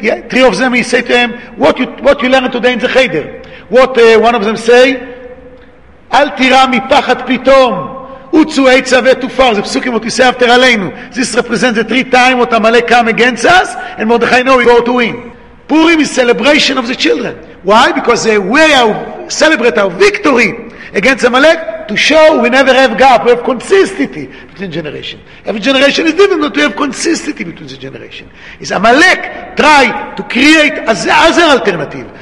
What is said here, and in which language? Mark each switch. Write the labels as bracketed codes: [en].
[en] Three of them, he say to him, what you learned today in the cheder? [he] One of them say, אל תירא מפחד פתאום, עוצו עצה ותופר, זה פסוקים [en] what you say after [he] עלינו. [en] This represents the 3 times what Amalek come against us, and Mordechai know we go to win. Purim is celebration of the children. Why? Because the way of celebrate our victory against Amalek, to show we never have gap, we have consistency between generations. Every generation is different, but we have consistency between the generations. Is Amalek try to create another alternative.